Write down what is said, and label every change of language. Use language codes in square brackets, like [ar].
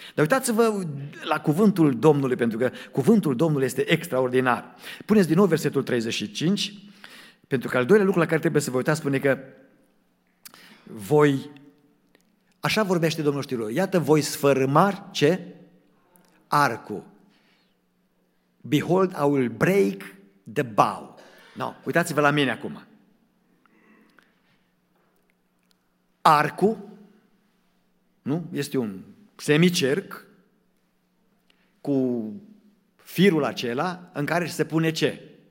[ro] Dar uitați-vă la cuvântul Domnului, pentru că cuvântul Domnului este extraordinar. Puneți din nou versetul 35, pentru că al doilea lucru la care trebuie să vă uitați spune că voi, așa vorbește Domnul știrilor, iată voi sfărâmar ce? Arcul. [en] Behold, I will break the bow. [ro] No, uitați-vă la mine acum. Arcul, nu? Este un semicerc cu firul acela în care se pune ce?